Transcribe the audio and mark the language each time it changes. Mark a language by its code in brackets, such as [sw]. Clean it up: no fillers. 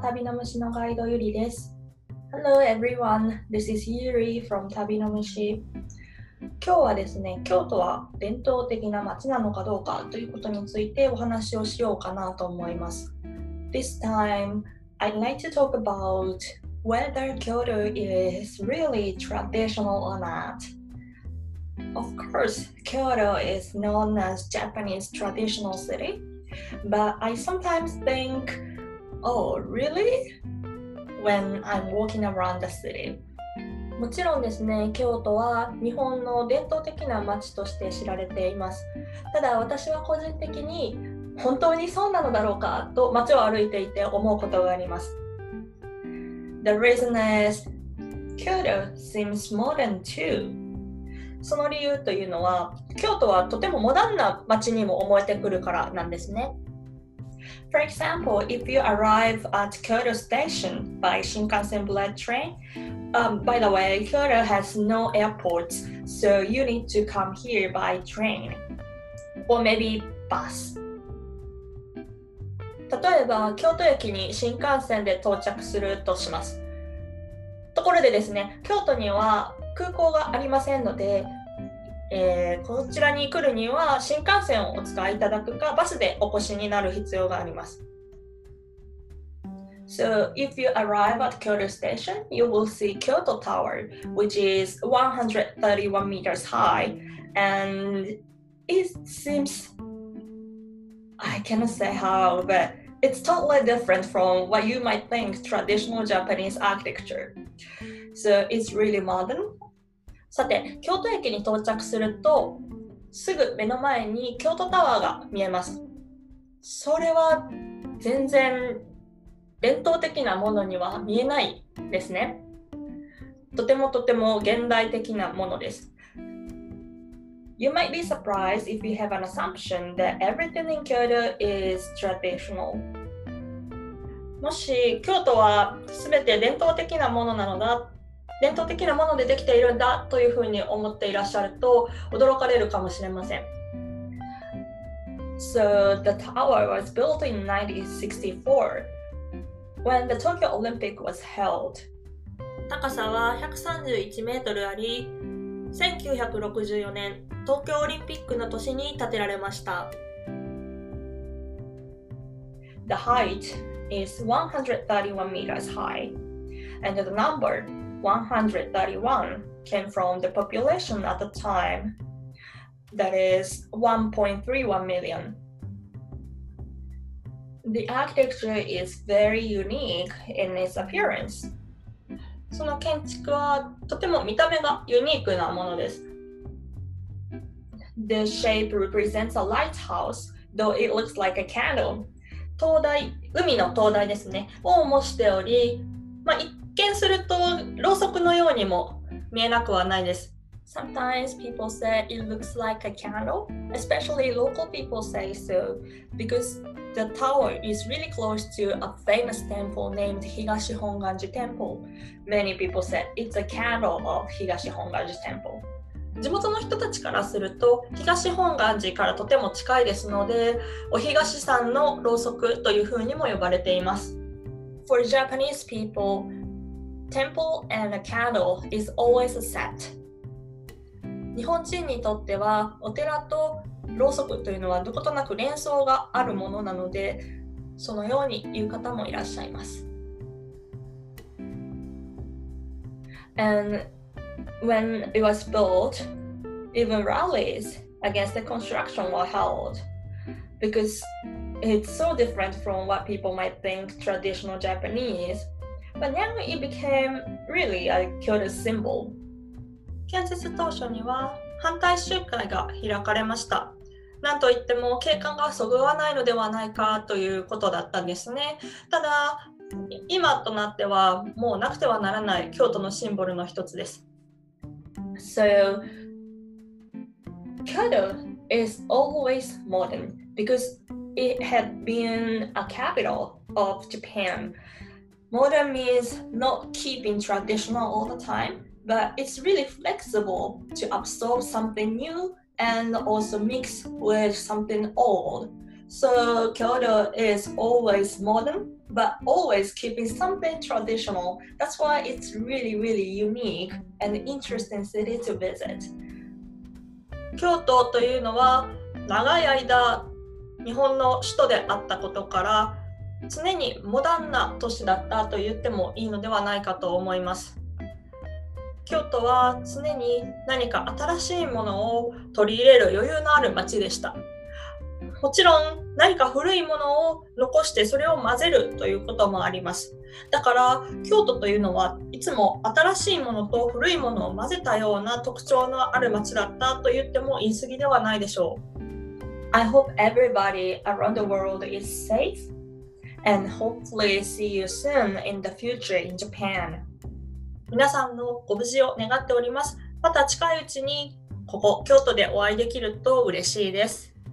[ja] 旅の虫のガイド、ゆりです。 [en] Hello everyone, this is Yuri from 旅の虫。 [ja] 今日はですね、京都は伝統的な町なのかどうかということについてお話をしようかなと思います。 [en] This time, I'd like to talk about whether Kyoto is really traditional or not. Of course, Kyoto is known as Japanese traditional city, but I sometimes think, oh, really? When I'm walking around the city. [ja] もちろんですね、京都は日本の伝統的な町として知られています。ただ私は個人的に本当にそうなのだろうかと街を歩いていて思うことがあります。 [en] The reason is, Kyoto seems modern too. [ja] その理由というのは、京都はとてもモダンな街にも思えてくるからなんですね。 [en] For example, if you arrive at Kyoto Station by Shinkansen bullet train,、by the way, Kyoto has no airports, so you need to come here by train. Or maybe bus. [ja] 例えば、京都駅に新幹線で到着するとします。ところでですね、京都には空港がありませんので、こちらに来るには新幹線をお使いいただくかバスでお越しになる必要があります。 [en] So if you arrive at Kyoto Station, you will see Kyoto Tower, which is 131 meters high, and it seems, I cannot say how, but it's totally different from what you might think traditional Japanese architecture. So it's really modern. [ja] さて、京都駅に到着すると、すぐ目の前に京都タワーが見えます。それは全然伝統的なものには見えないですね。とてもとても現代的なものです。 [en] You might be surprised if you have an assumption that everything in Kyoto is traditional. [ja] もし京都は全て伝統的なものなのだ伝統的なものでできているんだというふうに思っていらっしゃると驚かれるかもしれません。 [en] So the tower was built in 1964 when the Tokyo Olympic was held. [ja] 高さは131メートルあり、1964年東京オリンピックの年に建てられました。 [en] The height is 131 meters high, and the number131 came from the population at the time, that is 1.31 million. The architecture is very unique in its appearance. [ja] その建築はとても見た目がユニークなものです。 [en] The shape represents a lighthouse, though it looks like a candle. [ja] 灯台、海の灯台ですね、を模しており、まあ一見するとろうそくのようにも見えなくはないです。 [en] Sometimes people say it looks like a candle, especially local people say so, because the tower is really close to a famous temple named 東本願寺 Temple. Many people say it's a candle of 東本願寺 Temple. [ja] 地元の人たちからすると東本願寺からとても近いですので、お東さんのろうそくというふうにも呼ばれています。 [en] For Japanese people,Temple and a candle is always a set. [ja] 日本人にとってはお寺とろうそくというのはどことなく連想があるものなので、そのように言う方もいらっしゃいます。 [en] And when it was built, even rallies against the construction were held because it's so different from what people might think traditional Japanese. But now it became really a Kyoto symbol. [ja] 建設当初には反対集会が開かれました。なんといっても景観がそぐわないのではないかということだったんですね。ただ、今となってはもうなくてはならない京都のシンボルの一つです。 [en] So, Kyoto is always modern because it had been a capital of Japan. Modern means not keeping traditional all the time, but it's really flexible to absorb something new and also mix with something old. So Kyoto is always modern, but always keeping something traditional. That's why it's really, really unique and interesting city to visit. [ja] 京都というのは長い間日本の首都であったことから常にモダンな都市だったと言ってもいいのではないかと思います。京都は常に何か新しいものを取り入れる余裕のある街でした。もちろん何か古いものを残してそれを混ぜるということもあります。だから京都というのはいつも新しいものと古いものを混ぜたような特徴のある街だったと言っても言い過ぎではないでしょう。 [en] I hope everybody around the world is safe and hopefully see you soon in the future in Japan. [ja] 皆さんのご無事を願っております。また近いうちにここ京都でお会いできると嬉しいです。